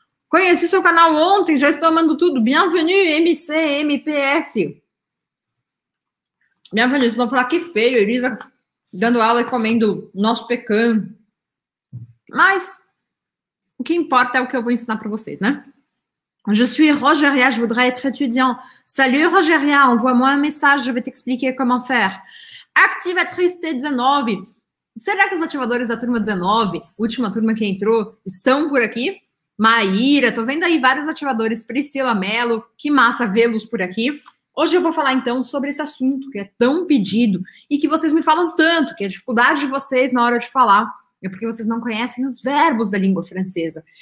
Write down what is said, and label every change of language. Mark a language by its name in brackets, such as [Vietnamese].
[Portuguese] Conheci seu canal ontem, já estou amando tudo. Bienvenue, MC, MPS. Bienvenue, vocês vão falar que feio, Elisa dando aula e comendo nosso pecan. Mas o que importa é o que eu vou ensinar para vocês, né? [French] Je suis Rogeria, je voudrais être étudiant. Salut Rogeria, envoie-moi un message, je vais t'expliquer comment faire. Activatrice T19. [Portuguese] Será que os ativadores da turma 19, última turma que entrou, estão por aqui? Maíra, tô vendo aí vários ativadores, Priscila Mello, que massa vê-los por aqui. Hoje eu vou falar então sobre esse assunto que é tão pedido e que vocês me falam tanto, que a dificuldade de vocês na hora de falar é porque vocês não conhecem os verbos da língua francesa.